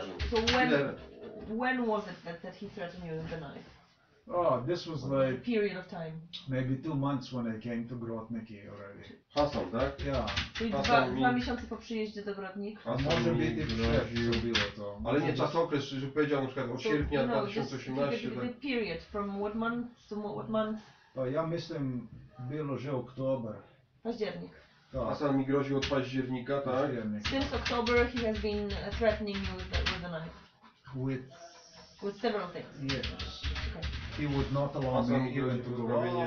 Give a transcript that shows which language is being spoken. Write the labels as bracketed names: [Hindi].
[English] So when was it that he threatened you with the knife? Oh, this was like period of time. Maybe 2 months when I came to Grotniki already. [Polish] Hasan, tak? [English] Yeah. [Polish] Czyli dwa miesiące po przyjeździe do Grotnik. Może być i groził. Ale nie czas okres, że powiedział na przykład od sierpnia 2018. [English] The period from what month to what month? [Polish] To ja myślę, było, że oktober. Październik. Tak. Hasan mi groził od października, tak? [English] Since October he has been threatening you with a knife. With several things. Yes. Okay. He would not allow me even to go.